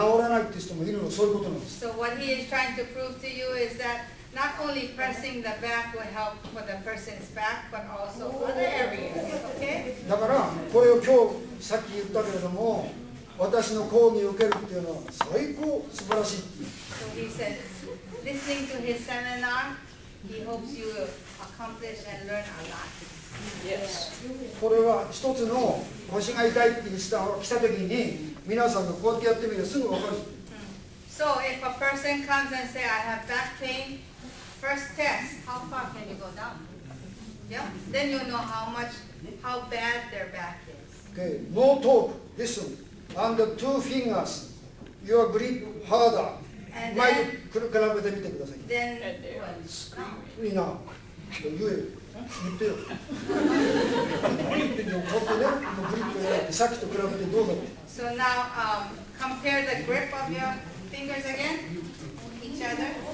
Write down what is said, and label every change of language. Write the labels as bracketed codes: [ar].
[en] So what he is trying to prove to you is that not only pressing the back will help for the person's back, but also other areas, okay? [ja] だから、これを今日さっき言ったけれども、私の講義を受けるっていうのは最高、素晴らしい。 [en] So he said, listening to his seminar, he hopes you accomplish and learn a lot. Yes. [ja] これは一つの腰が痛いって言った来た時に、皆さんがこうやってやってみるとすぐ分かる。 [en] So if a person comes and say, I have back pain, first test, how far can you go down? Yeah. Then you know how bad their back is. Okay. No talk. Listen. And the two fingers, your grip harder. And my then, grabbed it. Then what? Screaming. Now. You. [ja] 言ってよ。グリップの方向ね、グリップでさっきと比べてどうだろう。 [en] So now, compare the grip of your fingers again, each other.